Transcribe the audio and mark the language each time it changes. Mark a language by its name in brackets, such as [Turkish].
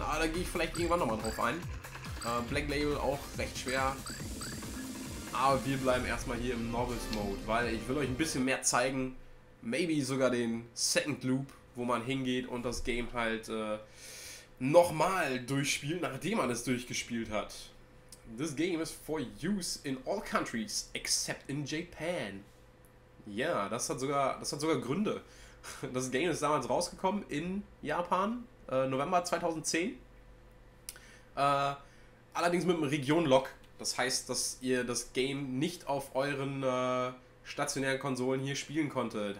[German] Aber da gehe ich vielleicht irgendwann nochmal drauf ein. Black Label auch recht schwer. Aber wir bleiben erstmal hier im Novice-Mode, weil ich will euch ein bisschen mehr zeigen. Maybe sogar den Second Loop, wo man hingeht und das Game halt nochmal durchspielt, nachdem man es durchgespielt hat. [English] This game is for use in all countries except in Japan. [German] Ja, das hat sogar Gründe. Das Game ist damals rausgekommen in Japan, November 2010. Allerdings mit einem Region-Lock. Das heißt, dass ihr das Game nicht auf euren stationären Konsolen hier spielen konntet.